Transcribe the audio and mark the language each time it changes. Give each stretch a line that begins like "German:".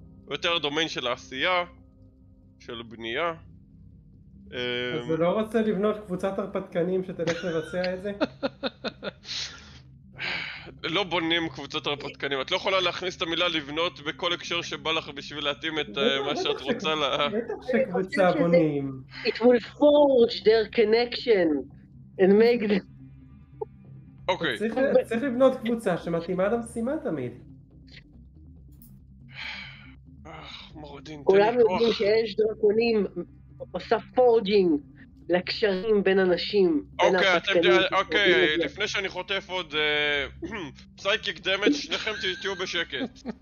Hebrew: יותר הדומיין של העשייה, של בנייה. אז הוא לא רוצה לבנות קבוצת הרפתקנים שתלך לבצע את זה? לא בונים קבוצות הרפתקנים, את לא יכולה להכניס את המילה לבנות בכל הקשר שבא לך בשביל להתאים את מה שאת רוצה לה. בטח שקבוצה בונים.
English: It will forge their connection and make them.
Hebrew: אוקיי. צריך לבנות קבוצה שמתאימה למשימה תמיד. מורדין, כולם יודעים שיש דרקונים עושה פורג'ינג לקשרים בין אנשים. אוקיי, אתם יודעים, אוקיי, לפני שאני חוטף עוד פסייקיק דמג', שניכם תהיו בשקט.